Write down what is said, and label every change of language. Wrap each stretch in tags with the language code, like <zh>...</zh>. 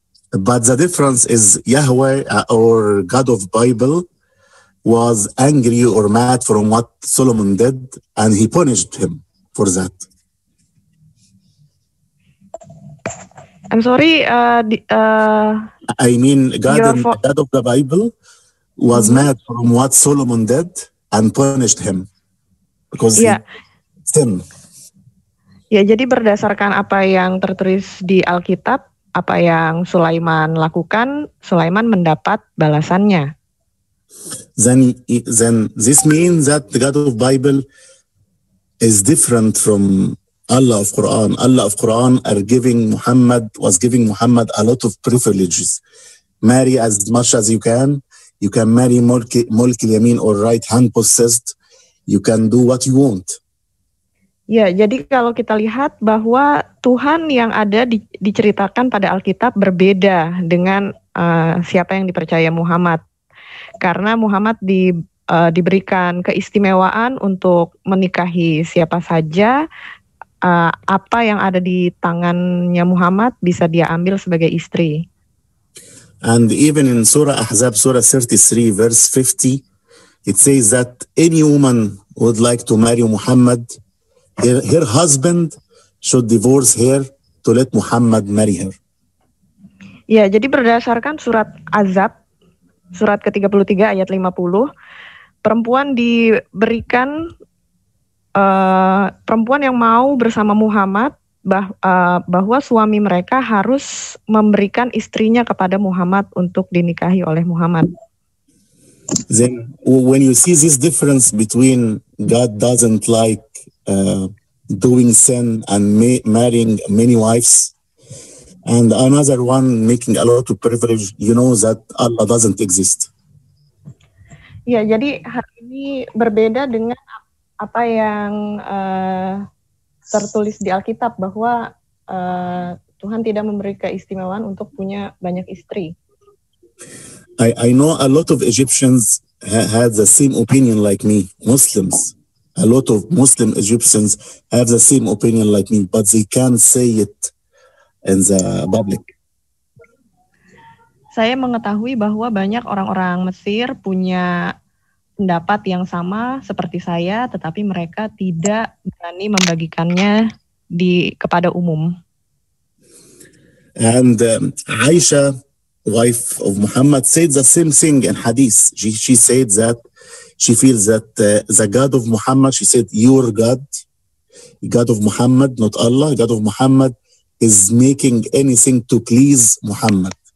<en>But the difference is Yahweh or God of Bible was angry or mad from what Solomon did, and he punished him for that. I'm sorry. God of the Bible was mad from what Solomon did and punished him because he sinned.</en> <id>Ya, jadi berdasarkan apa yang tertulis di Alkitab, apa yang Sulaiman lakukan, Sulaiman mendapat balasannya.</id> <en>Then this means that the God of Bible is different from Allah of Quran. Allah of Quran was giving Muhammad a lot of privileges. Marry as much as you can. You can marry mulk al-yamin or right hand possessed. You can do what you want.</en> <id>Ya, jadi kalau kita lihat bahwa Tuhan yang ada diceritakan pada Alkitab berbeda dengan siapa yang dipercaya Muhammad. Karena Muhammad diberikan keistimewaan untuk menikahi siapa saja, apa yang ada di tangannya Muhammad bisa dia ambil sebagai istri.</id> <en>And even in Surah Ahzab, Surah 33, verse 50, it says that any woman would like to marry Muhammad, her husband should divorce her to let Muhammad marry her.</en> <id>Ya, jadi berdasarkan surat Azab, surat ke-33 ayat 50, perempuan yang mau bersama Muhammad, bahwa suami mereka harus memberikan istrinya kepada Muhammad untuk dinikahi oleh Muhammad.</id> <en>Then, when you see this difference between God doesn't like doing sin and marrying many wives, and another one making a lot of privilege, you know that Allah doesn't exist.</en> <id>Ya, jadi hari ini berbeda dengan apa yang tertulis di Alkitab bahwa Tuhan tidak memberi keistimewaan untuk punya banyak istri.</id> <en>I know a lot of Egyptians had the same opinion like me, Muslims. A lot of Muslim Egyptians have the same opinion like me, but they can't say it in the public.</en> <id>Saya mengetahui bahwa banyak orang-orang Mesir punya pendapat yang sama seperti saya, tetapi mereka tidak berani membagikannya kepada umum.</id> <en>And Aisha, wife of Muhammad, said the same thing in Hadith. She said that she feels that the God of Muhammad, she said, your God, God of Muhammad, not Allah, God of Muhammad, is making anything to please Muhammad.</en>